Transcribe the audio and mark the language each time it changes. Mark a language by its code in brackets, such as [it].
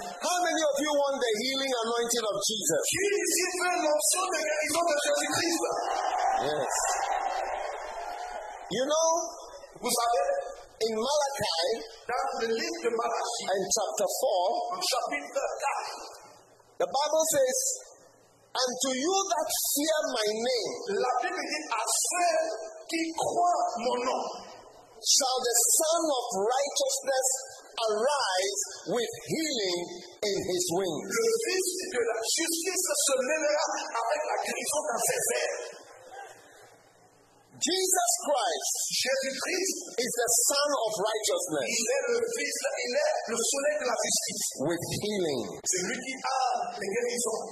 [en] How many of you want the healing anointing of Jesus? Yes. You know, in Malachi and chapter 4, the Bible says, and to you that fear my name, [fr] la Bible dit, à ceux qui croient mon nom, [en] shall the Son of Righteousness arise with healing in his wings. [fr] Le Fils de la justice se mêlera avec la guérison dans ses ailes. [en] Jesus Christ, [fr] Jésus-Christ, [en] is the Son of Righteousness. [fr] Il est le Fils, il est le soleil de la justice. [en] With healing. [fr] C'est lui qui a les guérisons.